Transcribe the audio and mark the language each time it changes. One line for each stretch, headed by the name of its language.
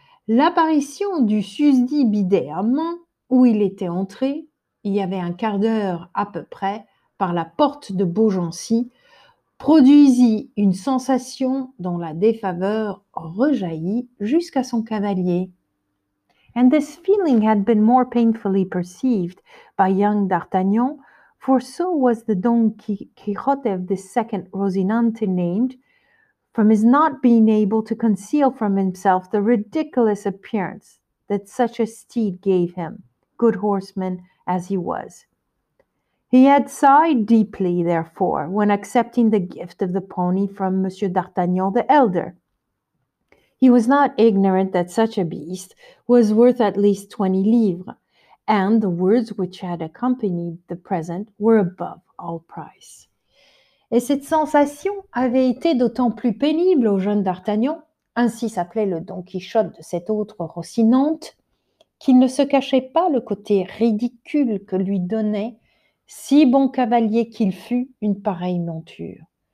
French: L'apparition du susdit bidet à main où il était entré, il y avait un quart d'heure à peu près, par la porte de Beaugency, produisit une sensation dont la défaveur rejaillit jusqu'à son cavalier.
English: And this feeling had been more painfully perceived by young D'Artagnan, for so was the Don Quixote of the second Rosinante named, from his not being able to conceal from himself the ridiculous appearance that such a steed gave him, good horseman as he was. He had sighed deeply, therefore, when accepting the gift of the pony from Monsieur D'Artagnan the elder. He was not ignorant that such a beast was worth at least 20 livres, and the words which had accompanied the present were above all price.
French: Et cette sensation avait été d'autant plus pénible au jeune D'Artagnan, ainsi s'appelait le Don Quichotte de cette autre Rocinante, qu'il ne se cachait pas le côté ridicule que lui donnait, si bon cavalier qu'il fût, une pareille monture.